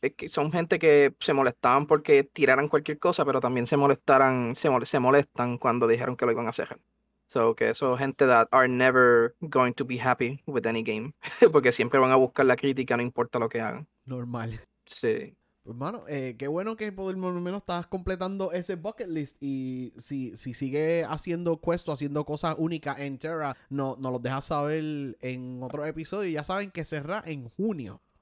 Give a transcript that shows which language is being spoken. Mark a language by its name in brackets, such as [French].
[Spanish] Son gente que se molestaban porque tiraran cualquier cosa, pero también se molestan cuando dijeron que lo iban a hacer. [English] So, [Spanish] que okay. Eso, gente [English] that are never going to be happy with any game. [Spanish] Porque siempre van a buscar la crítica, no importa lo que hagan. Normal. Sí. Pues, mano, qué bueno que por lo menos estás completando ese bucket list. Y si sigue haciendo quests, haciendo cosas únicas en Terra, nos lo dejas saber en otro episodio. Ya saben que cerrá en junio.